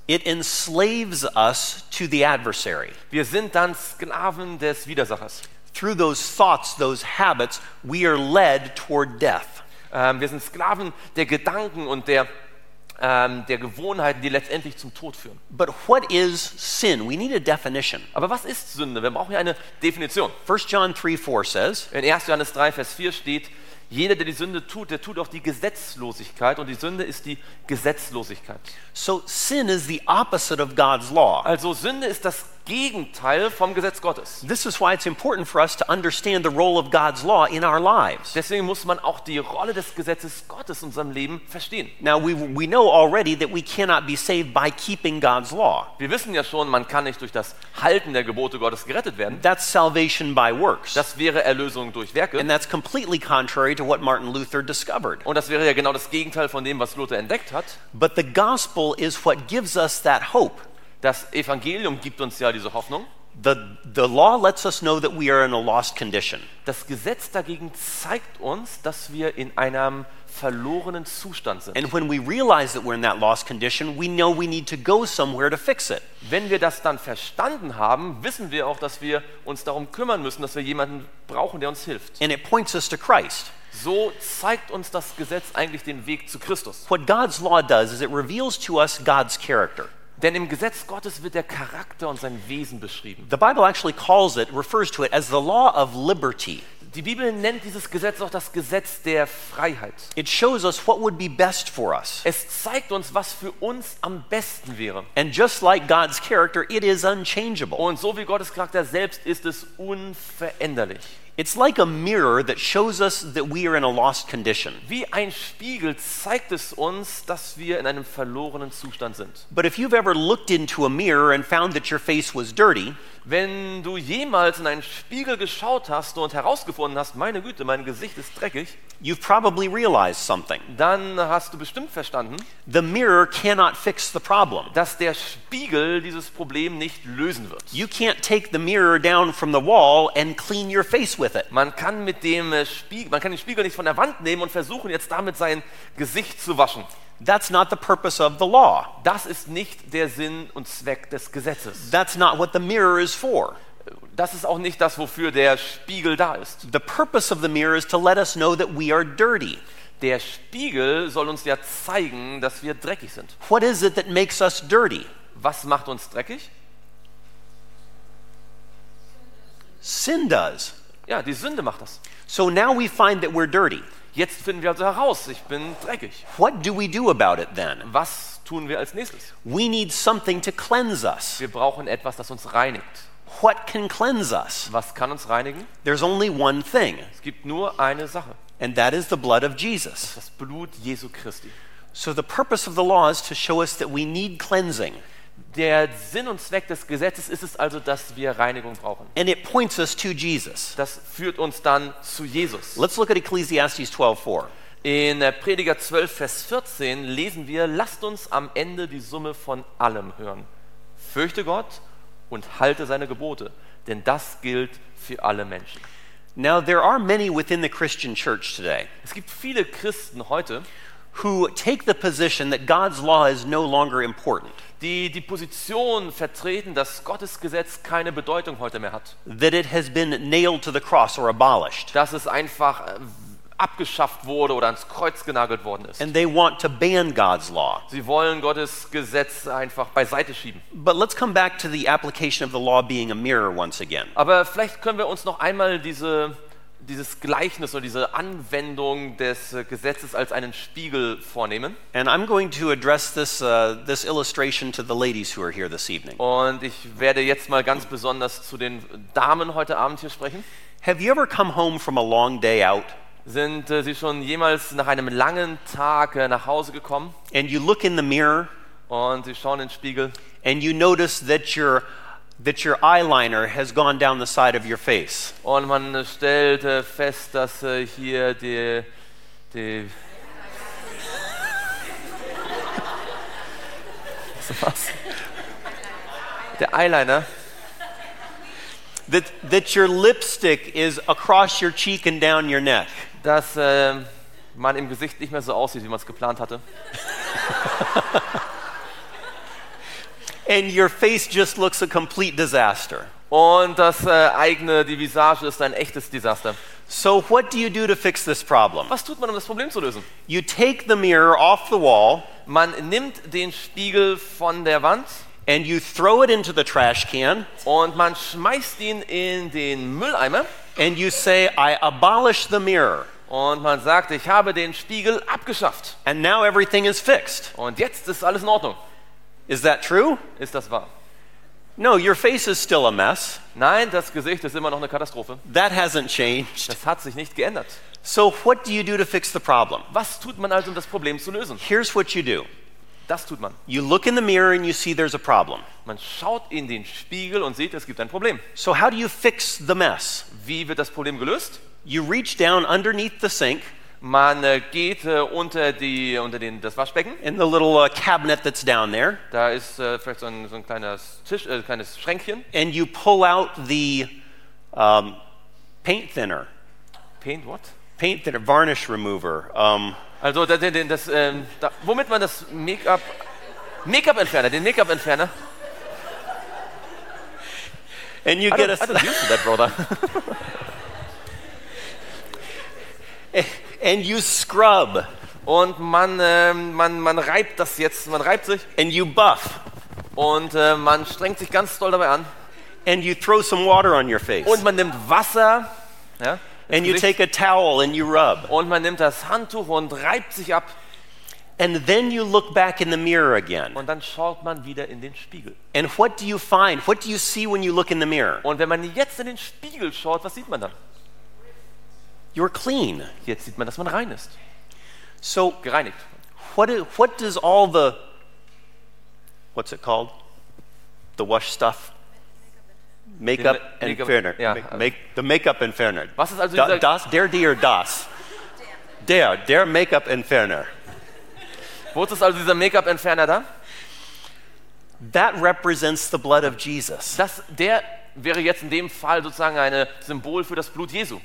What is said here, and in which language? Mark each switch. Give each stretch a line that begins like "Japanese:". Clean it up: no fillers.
English: It enslaves us to the adversary.
German: Wir sind dann Sklaven des Widersachers.
English: Through those thoughts, those habits, we are led toward death.
German: Wir sind Sklaven der Gedanken und der Gewohnheiten, die letztendlich zum Tod führen.
English: But what is sin? We need a definition.
German: Aber was ist Sünde? Wir brauchen hier eine Definition.
English: 1 John 3, 4 says,
German: in 1. Johannes 3, Vers 4 steht, jeder, der die Sünde tut, der tut auch die Gesetzlosigkeit, und die Sünde ist die Gesetzlosigkeit.
English: So sin is the opposite of God's law.
German: Also Sünde ist das Gegenteil vom Gesetz Gottes.
English: This is why it's important for us to understand the role of God's law in our lives.
German: Deswegen muss man auch die Rolle des Gesetzes Gottes in unserem Leben verstehen.
English: Now we know already that we cannot be saved by keeping God's law.
German: Wir wissen ja schon, man kann nicht durch das Halten der Gebote Gottes gerettet werden.
English: That's salvation by works.
German: Das wäre Erlösung durch Werke.
English: And that's completely contrary to what Martin Luther discovered.
German: Und das wäre ja genau das Gegenteil von dem, was Luther entdeckt hat.
English: But the gospel is what gives us that hope.
German: Das Evangelium gibt uns ja diese Hoffnung.
English: The law lets us know that we are in a lost condition.
German: Das Gesetz dagegen zeigt uns, dass wir in einem verlorenen Zustand sind.
English: And when we realize that we're in that lost condition, we know we need to go somewhere to fix it.
German: Wenn wir das dann verstanden haben, wissen wir auch, dass wir uns darum kümmern müssen, dass wir jemanden brauchen, der uns hilft.
English: And it points us to Christ.
German: So zeigt uns das Gesetz eigentlich den Weg zu Christus.
English: What God's law does is it reveals to us God's character.
German: Denn im Gesetz Gottes wird der Charakter und sein Wesen beschrieben.
English: The Bible actually calls it, refers to it as the law of liberty.
German: Die Bibel nennt dieses Gesetz auch das Gesetz der Freiheit.
English: It shows us what would be best for us.
German: Es zeigt uns, was für uns am besten wäre.
English: And just like God's character, it is unchangeable.
German: Und so wie Gottes Charakter selbst ist es unveränderlich.
English: It's like a mirror that shows us that we are in a lost condition.
German: Wie ein Spiegel zeigt es uns, dass wir in einem verlorenen Zustand sind.
English: But if you've ever looked into a mirror and found that your face was dirty,
German: wenn du jemals in einen Spiegel geschaut hast und herausgefunden hast, meine Güte, mein Gesicht ist dreckig,
English: you've probably realized something.
German: Dann hast du bestimmt verstanden,
English: the mirror cannot fix the problem.
German: Dass der Spiegel dieses Problem nicht lösen wird.
English: You can't take the mirror down from the wall and clean your face with it.
German: Man kann den Spiegel nicht von der Wand nehmen und versuchen jetzt damit sein Gesicht zu waschen.
English: That's not the purpose of the law.
German: Das ist nicht der Sinn und Zweck des Gesetzes.
English: That's not what the mirror is for.
German: Das ist auch nicht das, wofür der Spiegel da ist.
English: The purpose of the mirror is to let us know that we are dirty.
German: Der Spiegel soll uns ja zeigen, dass wir dreckig sind.
English: What is it that makes us dirty?
German: Was macht uns dreckig?
English: Sin does.
German: Ja, die Sünde macht das.
English: So now we find that we're dirty.
German: Jetzt finden wir also heraus, ich bin dreckig.
English: What do we do about it then?
German: Was tun wir als nächstes?
English: We need something to cleanse us.
German: Wir brauchen etwas, das uns reinigt.
English: What can cleanse us?
German: Was kann uns reinigen?
English: There's only one thing.
German: Es gibt nur eine Sache.
English: And that is the blood of Jesus.
German: Das Blut Jesu Christi.
English: So the purpose of the law is to show us that we need cleansing.
German: Der Sinn und Zweck des Gesetzes ist es also, dass wir Reinigung brauchen.
English: And it points us to Jesus.
German: Das führt uns dann zu Jesus.
English: Let's look at Ecclesiastes 12:4.
German: In Prediger 12, Vers 14 lesen wir, lasst uns am Ende die Summe von allem hören. Fürchte Gott und halte seine Gebote, denn das gilt für alle Menschen.
English: Now there are many within the Christian church today.
German: Es gibt viele Christen heute,
English: who take the position that God's law is no longer important.
German: Die Position vertreten, dass Gottes Gesetz keine Bedeutung heute mehr hat.
English: That it has been nailed to the cross or abolished.
German: Dass es einfach abgeschafft wurde oder ans Kreuz genagelt worden ist.
English: And they want to ban God's law.
German: Sie wollen Gottes Gesetz einfach beiseite schieben.
English: But let's come back to the application of the law being a mirror once again.
German: Aber vielleicht können wir uns noch einmal dieses Gleichnis oder diese Anwendung des Gesetzes als einen Spiegel vornehmen.
English: And I'm going to address this illustration to the ladies who are here this evening.
German: Und ich werde jetzt mal ganz besonders zu den Damen heute Abend hier sprechen.
English: Have you ever come home from a long day out?
German: Sind Sie schon jemals nach einem langen Tag nach Hause gekommen?
English: And you look in the mirror.
German: Und Sie schauen in den Spiegel.
English: And you notice that your eyeliner has gone down the side of your face.
German: Und man stellt fest, dass hier der eyeliner.
English: That your lipstick is across your cheek and down your neck.
German: Dass man im Gesicht nicht mehr so aussieht, wie man es geplant hatte.
English: And your face just looks a complete disaster.
German: Und das eigene, die Visage ist ein echtes Desaster.
English: So what do you do to fix this problem?
German: Was tut man, um das Problem zu lösen?
English: You take the mirror off the wall.
German: Man nimmt den Spiegel von der Wand.
English: And you throw it into the trash can.
German: Und man schmeißt ihn in den Mülleimer.
English: And you say, I abolish the mirror.
German: Und man sagt, ich habe den Spiegel abgeschafft.
English: And now everything is fixed.
German: Und jetzt ist alles in Ordnung.
English: Is that true?
German: Ist das wahr?
English: No, your face is still a mess.
German: Nein, das Gesicht ist immer noch eine Katastrophe.
English: That hasn't changed.
German: Das hat sich nicht geändert.
English: So what do you do to fix the problem?
German: Was tut man also, um das Problem zu lösen?
English: Here's what you do.
German: Das tut man.
English: You look in the mirror and you see there's a problem.
German: Man schaut in den Spiegel und sieht, es gibt ein Problem.
English: So how do you fix the mess?
German: Wie wird das Problem gelöst?
English: You reach down underneath the sink.
German: Man geht unter das Waschbecken.
English: In the little cabinet that's down there.
German: Da ist vielleicht so ein kleines Schränkchen.
English: And you pull out the paint thinner. Paint what? Paint thinner, varnish remover.
German: Also das womit man das Make-up-Entferner.
English: And you get I don't use that, brother. And you scrub.
German: Und man reibt das jetzt, man reibt sich.
English: And you buff.
German: Und man strengt sich ganz doll dabei an.
English: And you throw some water on your face.
German: Und man nimmt Wasser, ja.
English: And you take a towel and you rub.
German: Und man nimmt das Handtuch und reibt sich ab.
English: And then you look back in the mirror again.
German: Und dann schaut man wieder in den Spiegel.
English: And what do you find? What do you see when you look in the mirror?
German: Und wenn man jetzt in den Spiegel schaut, was sieht man dann?
English: You're clean.
German: Jetzt sieht man, dass man rein ist.
English: So
German: gereinigt.
English: What does all the what's it called? The wash stuff. Makeup and Ferner. The makeup and Ferner.
German: Was ist also dieser das der dir das? Der Make-up Entferner. Wo ist also dieser Make-up Entferner da?
English: That represents the blood of Jesus.
German: Das der wäre jetzt in dem Fall sozusagen ein Symbol für das Blut Jesu.